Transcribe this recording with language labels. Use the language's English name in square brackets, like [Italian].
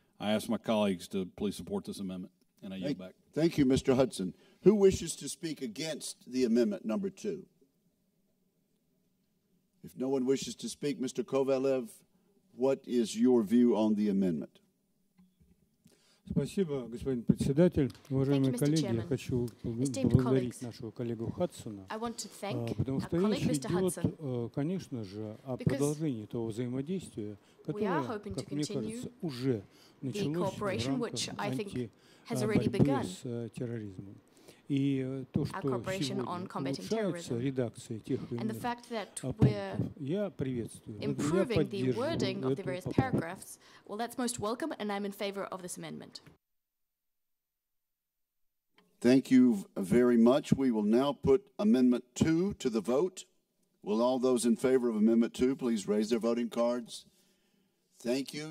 [English] I ask my colleagues to please support this amendment, and I yield back. Thank you, Mr. Hudson. Who wishes to speak against the amendment number 2? If no one wishes to speak, Mr. Kovalev, what is your view on the amendment? [Russian] Спасибо, господин председатель. Уважаемые коллеги, я хочу поблагодарить нашего коллегу Хадсона, потому что речь идет, конечно же, о продолжении того взаимодействия, которое, как мне кажется, уже началось в рамках антиборьбы с терроризмом. И то, что сегодня улучшаются редакции тех или иных пунктов, я приветствую. [English] Improving the wording of the various paragraphs, well, that's most welcome, and I'm in favor of this amendment. Thank you very much. We will now put Amendment 2 to the vote. Will all those in favor of Amendment 2 please raise their voting cards? Thank you.